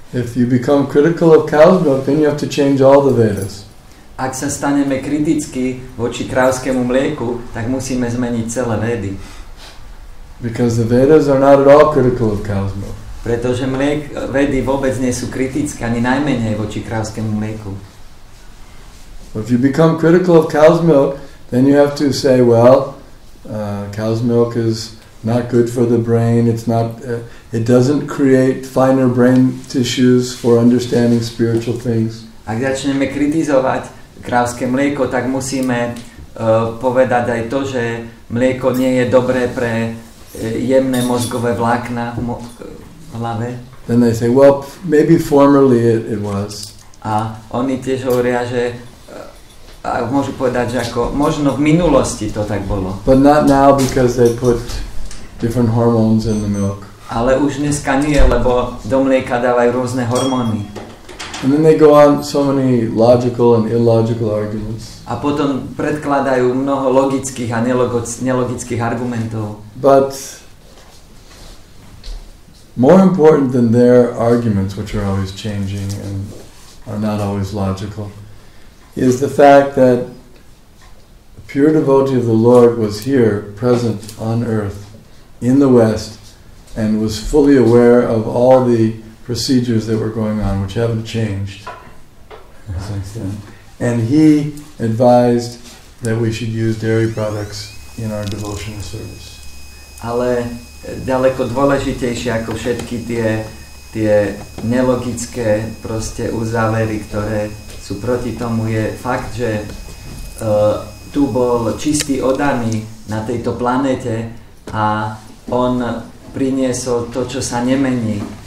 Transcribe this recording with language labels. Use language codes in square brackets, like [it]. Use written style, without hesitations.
[en] If you become critical of cow's milk, then you have to change all the Vedas. [sk] Ak sa staneme kriticky voči kravskému mlieku, tak musíme zmeniť celé Vedy. [en] Because the Vedas are not at all critical of cow's milk. [sk] Pretože Vedy vôbec nie sú kritické ani najmenej voči kravskému mlieku. [en] But if you become critical of cow's milk, then you have to say, well, cow's milk is not good for the brain. It's not. It doesn't create finer brain tissues for understanding spiritual things. [sk] Ak začneme kritizovať krávske mlieko, tak musíme povedať aj to, že mlieko nie je dobré pre jemné mozgové vlákna v hlave. [en] Then they say, well, maybe formerly it was. [sk] A oni tiež hovoria, že môžu povedať, že ako možno v minulosti to tak bolo. [en] But not now, because they put different hormones in the milk. [sk] Ale už dneska nie, lebo do mlieka dávajú rôzne hormóny. [en] And then they go on so many logical and illogical arguments. [sk] A potom predkladajú mnoho logických a nelogických argumentov. [en] But more important than their arguments, which are always changing and are not always logical, is the fact that a pure devotee of the Lord was here, present on earth, in the West, and was fully aware of all the procedures that were going on, which haven't changed since then. And he advised that we should use dairy products in our devotional service. [sk] Ale ďaleko dôležitejšie ako všetky tie nelogické proste uzávery, ktoré sú proti tomu, je fakt, že tu bol čistý oddaný na tejto planete a on priniesol to, čo sa nemení.